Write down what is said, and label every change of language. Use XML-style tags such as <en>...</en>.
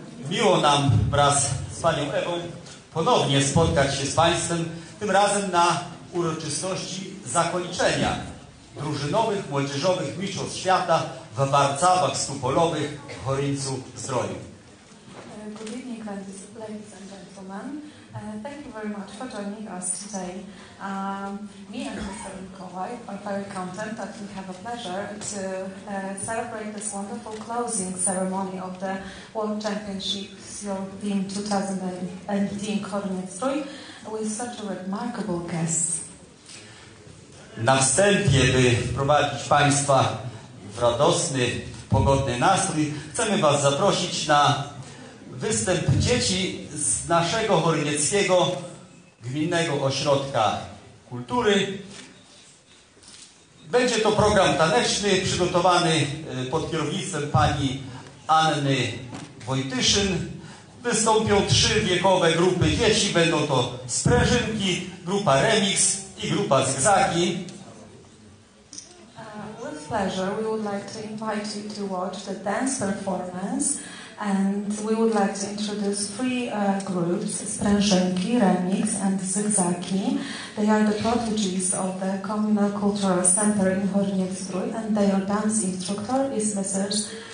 <pl>Miło nam wraz z Panią Ewą ponownie spotkać się z Państwem, tym razem na uroczystości zakończenia drużynowych młodzieżowych mistrzostw świata w warcawach stupolowych w Choryńcu Zdroju.</pl> <en>Good evening, ladies and gentlemen. Thank you very much for joining us today. Me and Mr. Mikołaj are very content that we have a pleasure to celebrate this wonderful closing ceremony of the World Championships European 2018 Choryńsk Zdrój with such a remarkable guest.</en> <pl>Na wstępie, by wprowadzić Państwa w radosny, pogodny nastrój, chcemy Was zaprosić na występ dzieci z naszego Chorynieckiego Gminnego Ośrodka Kultury. Będzie to program taneczny przygotowany pod kierownictwem pani Anny Wojtyszyn. Wystąpią trzy wiekowe grupy dzieci. Będą to sprężynki, grupa remix i grupa zygzagi.</pl> <en>With pleasure, we would like to invite you to watch the dance performance. And we would like to introduce three groups, Sprężynki, Remix and Zygzaki. They are the prodigies of the Communal Cultural Center in Choryniec-Zdrój and their dance instructor is Mrs.</en>